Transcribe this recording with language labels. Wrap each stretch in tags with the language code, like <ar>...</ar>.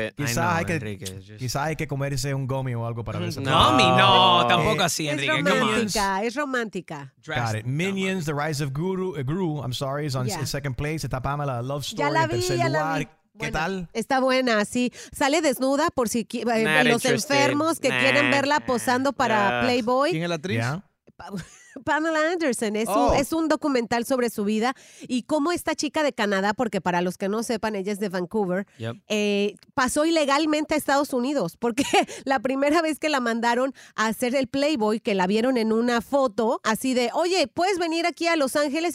<es>Quizás hay que comerse un gummy o algo para ver. No, tampoco así, Enrique. Es romántica.</es> <en>Got it. Minions, The Rise of Gru, I'm sorry, is on second place.</en> <es>Está Pamela, Love Story. Ya la vi, ¿Qué tal? Está buena, sí. Sale desnuda por si los enfermos que quieren verla posando para Playboy. ¿Quién es la actriz?</es> <en>Yeah.</en> <es>Pamela Anderson. Es un documental sobre su vida y cómo esta chica de Canadá, porque para los que no sepan, ella es de Vancouver, pasó ilegalmente a Estados Unidos, porque la primera vez que la mandaron a hacer el Playboy, que la vieron en una foto, así de, oye, ¿puedes venir aquí a Los Ángeles?</es>